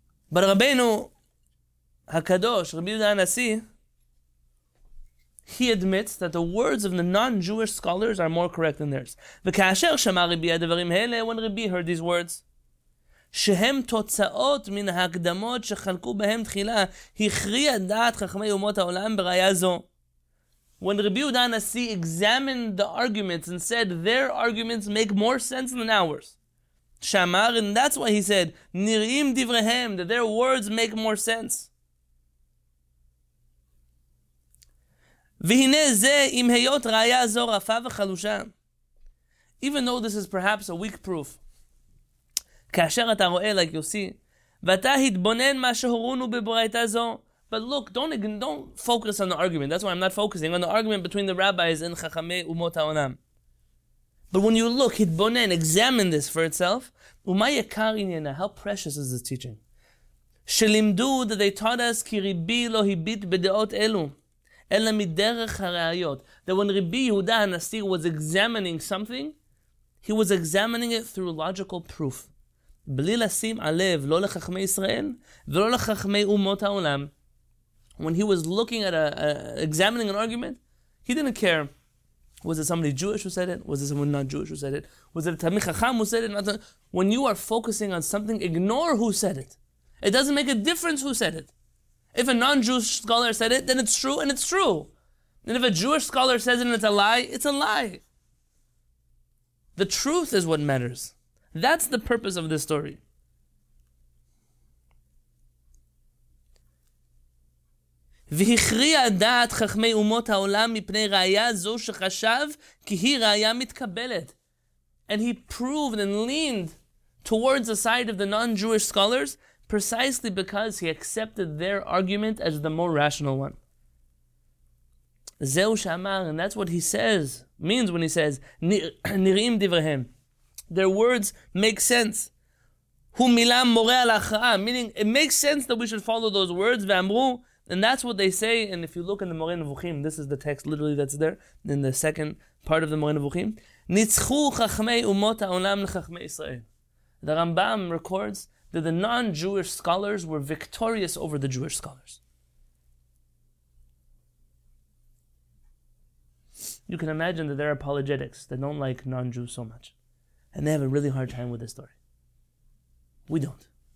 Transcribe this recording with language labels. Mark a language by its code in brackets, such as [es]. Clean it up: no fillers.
[en] But Rabbeinu HaKadosh, Ribi Uda Anasi, he admits that the words of the non-Jewish scholars are more correct than theirs. [he] וכאשר שמע רבי הדברים האלה, [en] when רבי heard these words, [he] שהם תוצאות מן ההקדמות שחלקו בהם תחילה, הכריע דעת חכמי אומות העולם בראיה זו. [en] When רבי יהודה הנשיא examined the arguments and said their arguments make more sense than ours. [he] שאמר, [en] and that's why he said, [he] נראים דבריהם, [en] that their words make more sense. [he] והנה זה, אם היות ראיה זו רפה וחלושה. [en] even though this is perhaps a weak proof. [he] כאשר אתה רואה, [en] like you see, [he] ואתה התבונן מה שהורונו בברייתה זו. [en] But look, don't focus on the argument. That's why I'm not focusing on the argument between the rabbis and Chachamei Umot HaOlam. But when you look, [he] התבונן, [en] examine this for itself, [he] ומה יקר עניינה, [en] how precious is this teaching? [he] שלימדו [en] that they taught us [he] כי ריבי לא הביט בדעות אלו, אלא מדרך הראיות. [en] That when Rabbi Yehuda HaNasir was examining something, he was examining it through logical proof. [he] בלי לשים עליו, לא לחכמי ישראל, ולא לחכמי אומות העולם. [en] When he was looking at examining an argument, he didn't care. Was it somebody Jewish who said it? Was it someone not Jewish who said it? Was it a Talmid Chacham who said it? When you are focusing on something, ignore who said it. It doesn't make a difference who said it. If a non-Jewish scholar said it, then it's true, and it's true. And if a Jewish scholar says it and it's a lie, it's a lie. The truth is what matters. That's the purpose of this story. [he] והכריעה דעת חכמי אומות העולם מפני ראייה זו שחשב כי היא ראייה מתקבלת. [en] And he proved and leaned towards the side of the non-Jewish scholars precisely because he accepted their argument as the more rational one. [he] זהו שאמר, [en] and that's what he says, means when he says, [he] נראים דבריהם. [en] Their words make sense. [he] הוא מילה מורה על ההכרעה, [en] meaning it makes sense that we should follow those words, [he] ואמרו, [en] and that's what they say, and if you look in the Moreh Nevuchim, this is the text literally that's there, in the second part of the Moreh Nevuchim. [he] ניצחו חכמי אומות העולם לחכמי ישראל. [en] The Rambam records that the non-Jewish scholars were victorious over the Jewish scholars. You can imagine that they're apologetics. They don't like non-Jews so much. And they have a really hard time with this story. We don't.